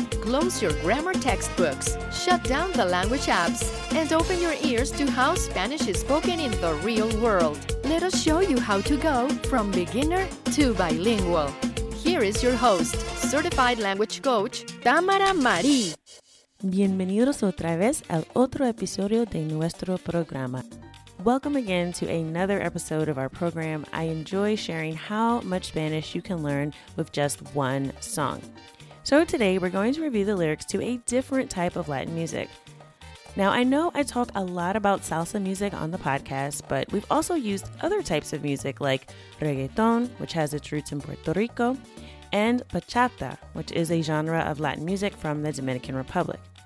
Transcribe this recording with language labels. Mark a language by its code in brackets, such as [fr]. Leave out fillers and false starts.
[en] Close your grammar textbooks, shut down the language apps, and open your ears to how Spanish is spoken in the real world. Let us show you how to go from beginner to bilingual. Here is your host, certified language coach, Tamara Marie. [es] Bienvenidos otra vez al otro episodio de nuestro programa. [en] Welcome again to another episode of our program. I enjoy sharing how much Spanish you can learn with just one song. So today we're going to review the lyrics to a different type of Latin music. Now I know I talk a lot about salsa music on the podcast, but we've also used other types of music like reggaeton, which has its roots in Puerto Rico, and bachata, which is a genre of Latin music from the Dominican Republic.